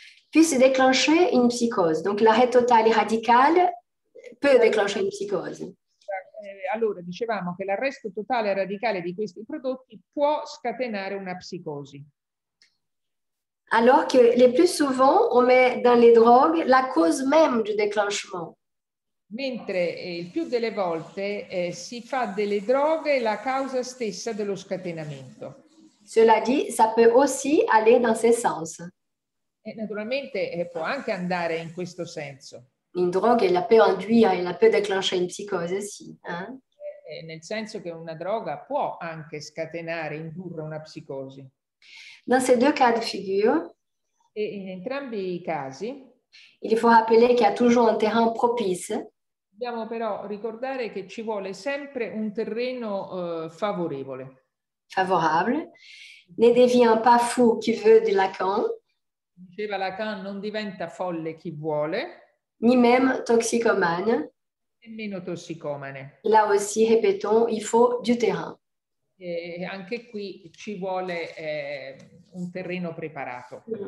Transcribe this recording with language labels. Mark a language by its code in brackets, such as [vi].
[fr] Puisse déclencher une psicose. Donc l'arrêt total et radical peut déclencher une psicose. [it] Allora, dicevamo che l'arresto totale e radicale di questi prodotti può scatenare una psicosi. [fr] Alors que le plus souvent on met dans les drogues la cause même du déclenchement. [it] Mentre il più delle volte si fa delle droghe la causa stessa dello scatenamento. [fr] Cela dit, ça peut aussi aller dans ce sens. [it] E naturalmente può anche andare in questo senso. [fr] Une drogue, elle peut induire, elle peut déclencher une psicose aussi. Hein? [it] Nel senso che una droga può anche scatenare, indurre una psicosi. [fr] Dans ces deux cas de figure, [it] e in entrambi i casi, [fr] il faut rappeler qu'il y a toujours un terrain propice. [it] Dobbiamo però ricordare che ci vuole sempre un terreno favorevole. [fr] Favorable. Ne devient pas fou qui veut de Lacan. [it] Diceva Lacan, non diventa folle chi vuole. [fr] Ni même toxicomane. [it] Nemmeno tossicomane. [fr] Là aussi, répétons, il faut du terrain. [it] E anche qui ci vuole un terreno preparato.